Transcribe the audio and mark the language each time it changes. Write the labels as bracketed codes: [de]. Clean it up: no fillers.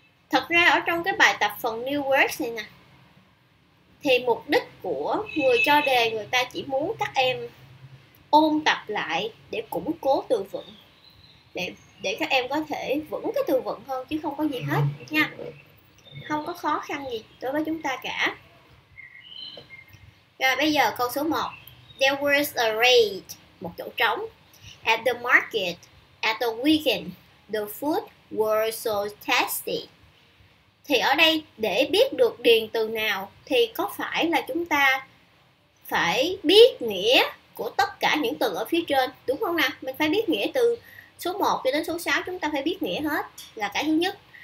[vi] Thật ra ở trong cái bài tập phần new words này nè, thì mục đích của người cho đề người ta chỉ muốn các em ôn tập lại để củng cố từ vựng, để các em có thể vững cái từ vựng hơn chứ không có gì hết nha. Không có khó khăn gì đối với chúng ta cả. Rồi bây giờ câu số 1. [en] There was a raid, [vi] một chỗ trống, [en] at the market at the weekend. The food was so tasty. [vi] Thì ở đây để biết được điền từ nào thì có phải là chúng ta phải biết nghĩa của tất cả những từ ở phía trên, đúng không nào? Mình phải biết nghĩa từ số 1 cho đến số 6, chúng ta phải biết nghĩa hết là cái thứ nhất.